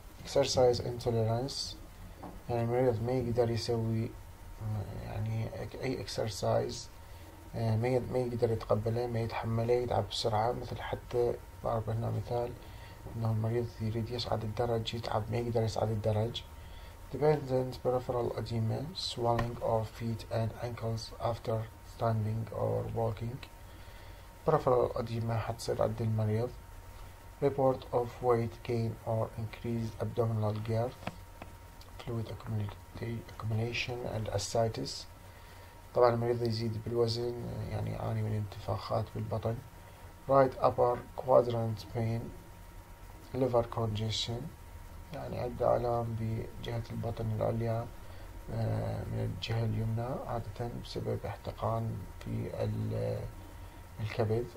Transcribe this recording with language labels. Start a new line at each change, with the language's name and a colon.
English: exercise intolerance,
Arabic: يعني المريض ما يقدر يسوي يعني أي exercise, ما يقدر يتقبله, ما يتحمله, يتعب بسرعة. مثل حتى ضرب هنا مثال انه المريض يريد يصعد الدرج يتعب ما يقدر يصعد الدرج.
English: dependent peripheral edema, swelling of feet and ankles after standing or walking.
Arabic: peripheral edema حتصير عند المريض.
English: report of weight gain or increased abdominal girth, fluid accumulation and ascites.
Arabic: طبعا المريض يزيد بالوزن يعني يعاني من انتفاخات بالبطن.
English: right upper quadrant pain, liver congestion,
Arabic: يعني عنده آلام بجهة البطن العليا من الجهة اليمنى عادة بسبب احتقان في الكبد.